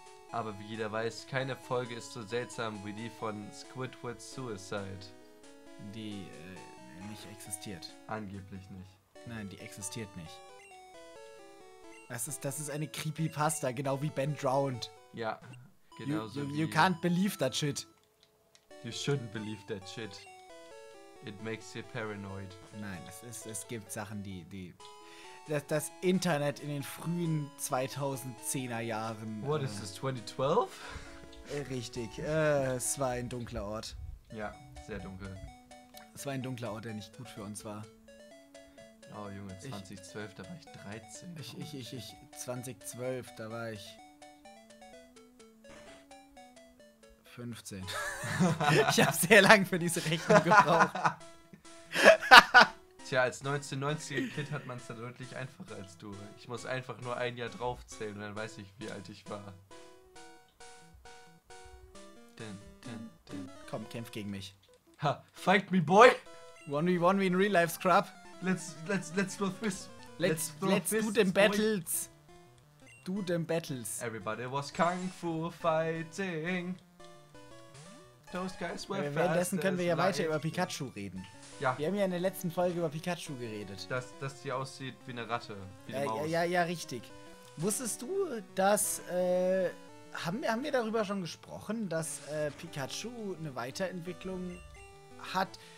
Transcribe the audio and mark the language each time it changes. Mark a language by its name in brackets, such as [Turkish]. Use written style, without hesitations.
[German] Aber wie jeder weiß, keine Folge ist so seltsam wie die von Squidward Suicide. Die nicht existiert. Angeblich nicht. Nein, die existiert nicht. Das ist eine Creepypasta, genau wie Ben Drowned. Ja, genau so wie... [English] You can't believe that shit. You shouldn't believe that shit. It makes you paranoid. [German] Nein, es gibt Sachen, die das Internet in den frühen 2010er Jahren. [English] What is this, 2012? [German] Richtig, es war ein dunkler Ort. Ja, sehr dunkel. Es war ein dunkler Ort, der nicht gut für uns war. Oh Junge, 2012, da war ich 13. Ich 2012, da war ich 15. Ich habe sehr lange für diese Rechnung gebraucht. Tja, als 1990er Kid hat man es dann deutlich einfacher als du. Ich muss einfach nur ein Jahr draufzählen und dann weiß ich, wie alt ich war. Den. Komm, kämpf gegen mich. [English] Ha, fight me, boy! 1v1v in real life, Scrub. Let's throw fists. Let's do them battles. Do them battles. Everybody was kung fu fighting. Those guys were fast. [German] Währenddessen können wir ja weiter über Pikachu reden. Ja. Wir haben ja in der letzten Folge über Pikachu geredet. Dass die aussieht wie eine Ratte. Wie eine Maus. Ja, richtig. Wusstest du, dass. Haben wir darüber schon gesprochen, dass Pikachu eine Weiterentwicklung hat?